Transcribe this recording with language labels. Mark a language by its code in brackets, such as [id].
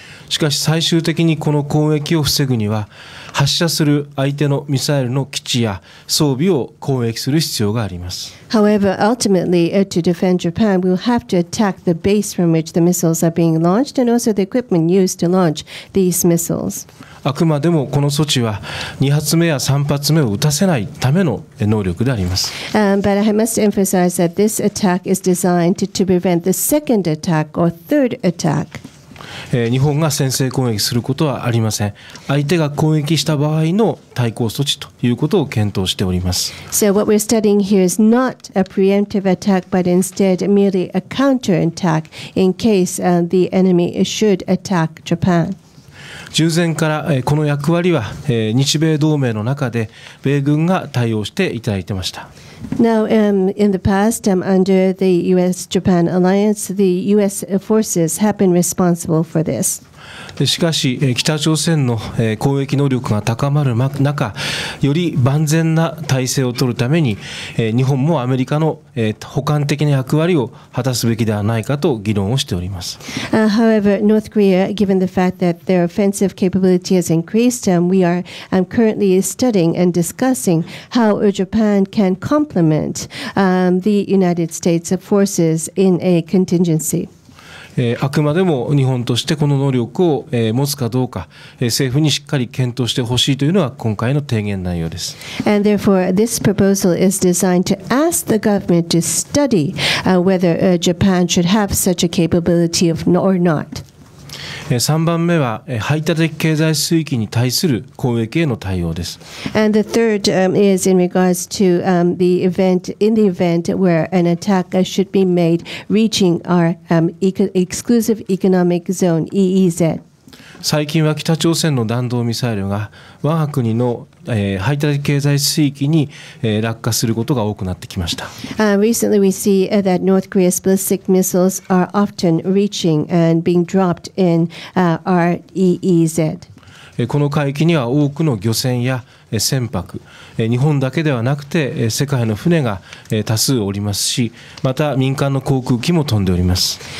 [ja] しかし最終的にこの攻撃を防ぐには、発射する相手のミサイルの基地や装備を攻撃する必要があります。 [en] However, ultimately to defend Japan we'll have to attack the base from which the missiles are being launched and also the equipment used to launch these missiles。 [ja] あくまでもこの措置は2発目や3発目を撃たせないための能力であります。 [en] But I must emphasize that this attack is designed to prevent the second attack or third attack. [ja] 日本が先制攻撃することはありません。相手が攻撃した場合の対抗措置ということを検討しております。 [en] So what we're studying here is not a preemptive attack, but instead merely a counter attack in case the enemy should attack Japan. [ja] 従前からこの役割は日米同盟の中で米軍が対応していただいてました。 [en] Now, in the past, under the US-Japan alliance, the US forces have been responsible for this. [ja] しかし北朝鮮の攻撃能力が高まる中、より万全な体制を取るために日本もアメリカの補完的な役割を果たすべきではないかと議論をしております。 [en] However, North Korea, given the fact that their offensive capability has increased, we are currently studying and discussing how Japan can complement the United States forces in a contingency。 [ja] あくまでも日本としてこの能力を持つかどうか、政府にしっかり検討してほしいというのが今回の提言内容です。 [en] And therefore this proposal is designed to ask the government to study whether Japan should have such a capability or not。 [ja] 3番目は排他的経済水域に対する攻撃への対応です。 [en] And the third is in regards to the event in the event where an attack should be made reaching our exclusive economic zone EEZ。 [ja] 最近は北朝鮮の弾道ミサイルが我が国の排他的経済水域に落下することが多くなってきました。 [en] Recently we see that North Korea's ballistic missiles are often reaching and being dropped in our EEZ。 [ja] この海域には多くの漁船や船舶、日本だけではなくて世界の船が多数おりますし、また民間の航空機も飛んでおります。